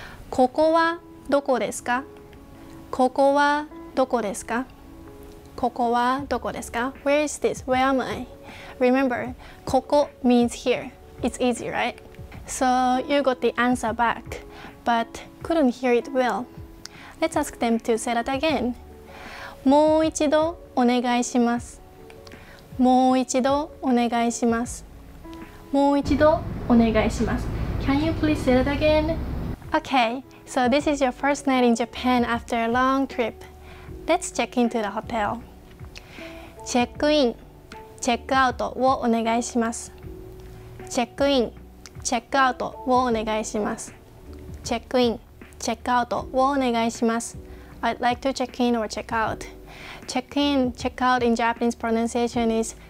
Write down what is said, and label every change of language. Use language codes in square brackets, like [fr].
[ja] ここはどこですか?ここはどこですか? ここはどこですか? [en] Where is this? Where am I? Remember, ここ means here. It's easy, right? So you got the answer back, but couldn't hear it well. Let's ask them to say that again. [ja] もう一度お願いします。もう一度お願いします。もう一度お願いします。 [en] Can you please say that again? Okay, so this is your first night in Japan after a long trip. Let's check into the hotel. [ja] チェックイン、チェックアウトをお願いします。チェックイン、チェックアウトをお願いします。チェックイン、チェックアウトをお願いします。 [en] I'd like to check in or check out. Check in, check out in Japanese pronunciation is